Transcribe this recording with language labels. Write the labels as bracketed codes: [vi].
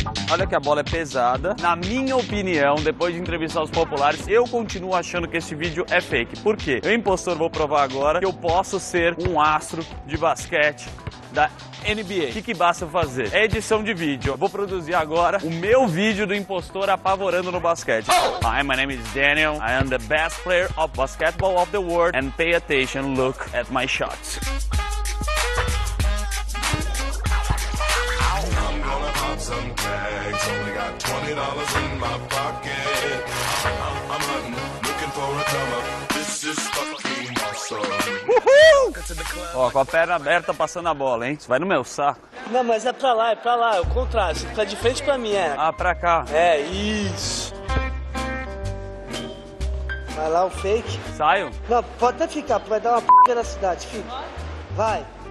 [pt] Olha que a bola é pesada. Na minha opinião, depois de entrevistar os populares, eu continuo achando que esse vídeo é fake. Por quê? Eu, impostor, vou provar agora que eu posso ser um astro de basquete da NBA. O que, que basta fazer? É edição de vídeo. Eu vou produzir agora o meu vídeo do impostor apavorando no basquete. [en] Hi, my name is Daniel. I am the best player of basketball of the world. And pay attention, look at my shots. $20 in my pocket. I'm looking for a come up. This is fucking awesome. Woohoo! [pt] Ó, com a perna aberta, passando a bola, hein? Isso vai no meu saco. Não, mas é pra lá, é o contrário. Tá de frente pra mim, é. Ah, pra cá. É, isso. Vai lá o fake. Saio? Não, pode até ficar, vai dar uma p*** na cidade, fica. Vai.